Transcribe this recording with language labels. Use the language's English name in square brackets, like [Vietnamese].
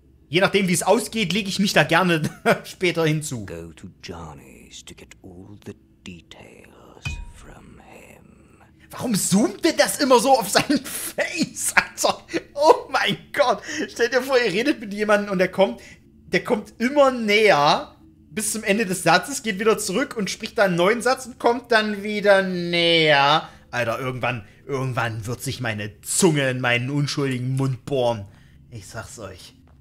[German] Je nachdem, wie es ausgeht, lege ich mich da gerne später hinzu. [English] Go to Johnny's to get all the details from him. [German] Warum zoomt denn das immer so auf sein Face? Alter, oh mein Gott. Stellt ihr vor, ihr redet mit jemandem und der kommt immer näher bis zum Ende des Satzes, geht wieder zurück und spricht dann einen neuen Satz und kommt dann wieder näher. Alter, irgendwann wird sich meine Zunge in meinen unschuldigen Mund bohren. Ich sag's euch.